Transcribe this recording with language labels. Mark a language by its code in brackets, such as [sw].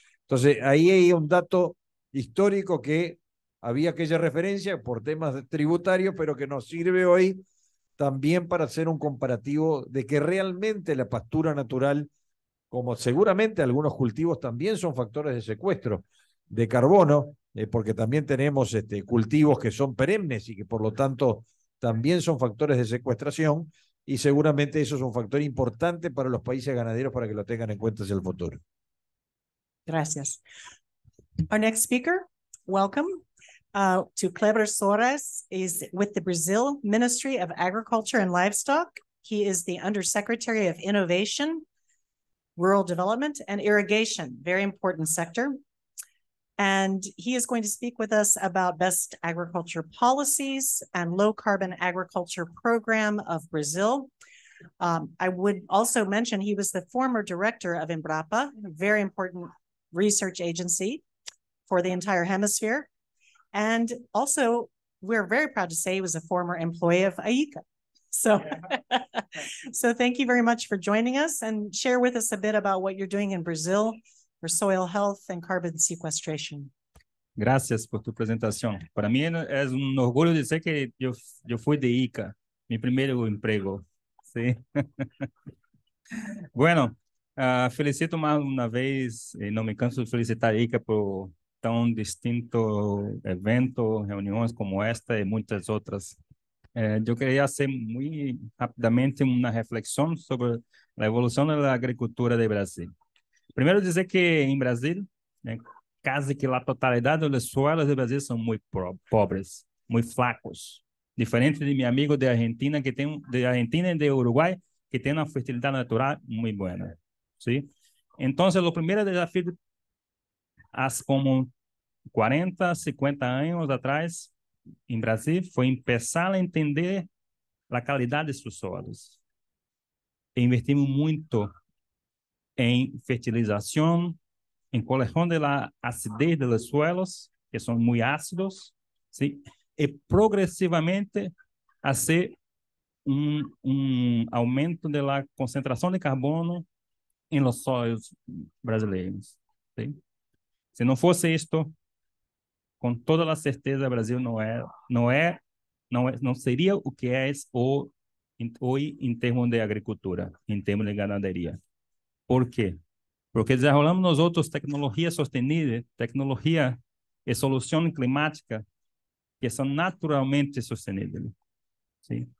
[es] Entonces, ahí hay un dato histórico que había aquella referencia por temas tributarios, pero que nos sirve hoy también para hacer un comparativo de que realmente la pastura natural, como seguramente algunos cultivos también son factores de secuestro de carbono, porque también tenemos cultivos que son perennes y que por lo tanto también son factores de secuestración, y seguramente eso es un factor importante para los países ganaderos para que lo tengan en cuenta hacia el futuro. Gracias. [en] Our next speaker, welcome. To Kleber Soares, is with the Brazil Ministry of Agriculture and Livestock. He is the Undersecretary of Innovation, Rural Development, and Irrigation, very important sector. And he is going to speak with us about best agriculture policies and low carbon agriculture program of Brazil. I would also mention he was the former director of Embrapa, a very important research agency for the entire hemisphere. And also, we're very proud to say he was a former employee of AICA. So, yeah. So thank you very much for joining us and share with us a bit about what you're doing in Brazil for soil health and carbon sequestration. [es] Gracias por tu presentación. Para mí es un orgullo decir que yo fui de AICA, mi primer empleo. Sí. Bueno, felicito más una vez, y no me canso de felicitar a AICA por [pt] tão distinto evento, reuniões como esta e muitas outras. Eu queria fazer muito rapidamente uma reflexão sobre a evolução da agricultura do Brasil. Primeiro dizer que em Brasil, quase que a totalidade dos suelos do Brasil são muito pobres, muito flacos. Diferente de meu amigo de Argentina, que tem de Argentina e de Uruguai, que tem uma fertilidade natural muito boa. [es] ¿Sí? [pt] Então, o primeiro desafio [es] hace como 40, 50 años atrás en Brasil fue empezar a entender la calidad de sus solos. E invertimos mucho en fertilización, en colección de la acidez de los suelos, que son muy ácidos, ¿sí? Y progresivamente hacer un aumento de la concentración de carbono en los solos brasileños. ¿Sí? [pt] Se não fosse isto, com toda a certeza, o Brasil não seria o que é hoje em termos de agricultura, em termos de ganadería. Por quê? Porque desenvolvemos nós outros tecnologia sostenível, tecnologia e solução climática que são naturalmente sosteníveis. Sim?